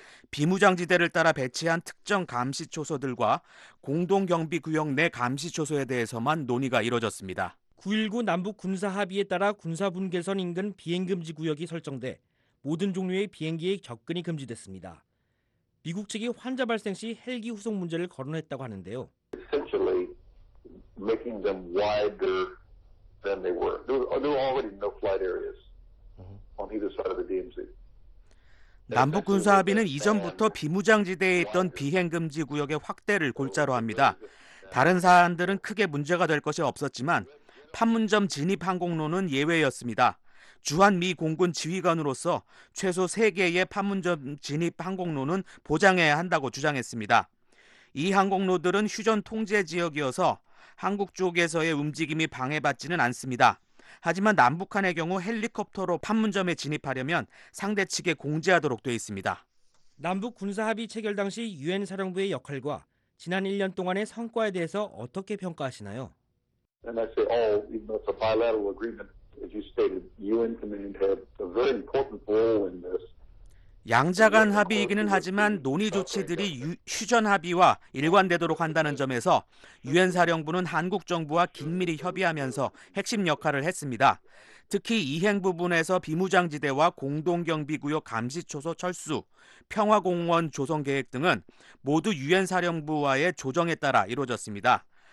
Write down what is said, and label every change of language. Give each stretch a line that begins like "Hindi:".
Korean: 비무장지대를 따라 배치한 특정 감시초소들과 공동경비구역 내 감시초소에 대해서만 논의가 이뤄졌습니다. 9.19 남북 군사합의에 따라 군사분계선 인근 비행금지 구역이 설정돼 모든 종류의 비행기의 접근이 금지됐습니다. 미국 측이 환자 발생 시 헬기 후속 문제를 거론했다고 하는데요.
English: Essentially making them wider than they were. There were already no flight areas on either side of the DMZ.
Korean: 남북군사합의는 이전부터 비무장지대에 있던 비행금지 구역의 확대를 골자로 합니다. 다른 사안들은 크게 문제가 될 것이 없었지만 판문점 진입 항공로는 예외였습니다. 주한미 공군 지휘관으로서 최소 3개의 판문점 진입 항공로는 보장해야 한다고 주장했습니다. 이 항공로들은 휴전 통제 지역이어서 한국 쪽에서의 움직임이 방해받지는 않습니다. 하지만 남북한의 경우 헬리콥터로 판문점에 진입하려면 상대 측에 공지하도록 돼 있습니다. 남북 군사합의 체결 당시 유엔 사령부의 역할과 지난 1년 동안의 성과에 대해서 어떻게 평가하시나요?
English: And I say all, even though it's a bilateral agreement, as you stated, UN command had a very important role in this.
Korean: 양자간 합의이기는 하지만 논의 조치들이 휴전 합의와 일관되도록 한다는 점에서 유엔 사령부는 한국 정부와 긴밀히 협의하면서 핵심 역할을 했습니다. 특히 이행 부분에서 비무장지대와 공동경비구역 감시초소 철수, 평화공원 조성 계획 등은 모두 유엔 사령부와의 조정에 따라 이루어졌습니다.